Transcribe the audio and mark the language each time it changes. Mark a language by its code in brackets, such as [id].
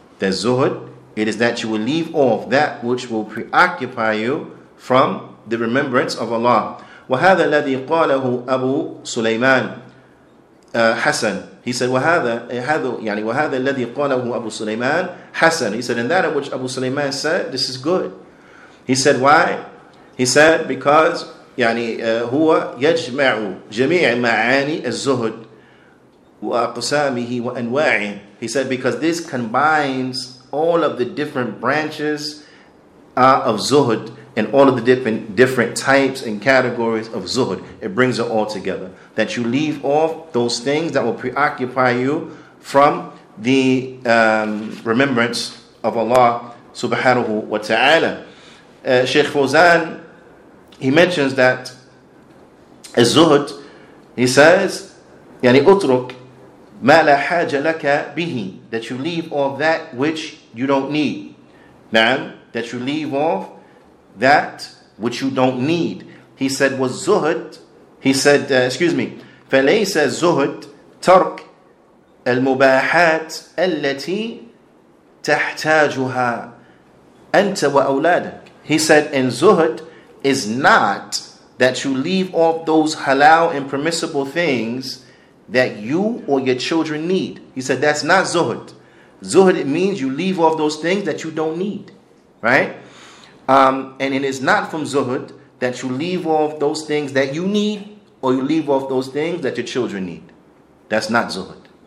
[en] That zuhud, it is that you will leave off that which will preoccupy you from the remembrance of Allah. [ar] وَهَذَا الَّذِي قَالَهُ أَبُو سُلَيْمَانِ حَسَنٍ. [en] He said, [ar] وَهَذَا الَّذِي قَالَهُ أَبُو سُلَيْمَانِ حَسَنٍ. [en] He said, and that of which Abu Sulaiman said, this is good. He said, why? He said, because [ar] هو يجمع جميع معاني الزهد وأقسامه وأنواعه. [en] He said, because this combines all of the different branches of zuhud and all of the different types and categories of zuhud. It brings it all together. That you leave off those things that will preoccupy you from the remembrance of Allah subhanahu wa ta'ala. Sheikh Fawzan, he mentions that الزهد, he says, [ar] يعني أترك ما لا حاجة لك به, [en] that you leave off that which you don't need. نعم, that you leave off that which you don't need. He said, was [ar] زهد, [en] he said, excuse me, [ar] فليس زهد ترك المباحات التي تحتاجها أنت وأولادك. [en] He said, and zuhud is not that you leave off those halal and permissible things that you or your children need. He said, that's not zuhud. Zuhud, it means you leave off those things that you don't need, right? And it is not from zuhud that you leave off those things that you need or you leave off those things that your children need. That's not zuhud.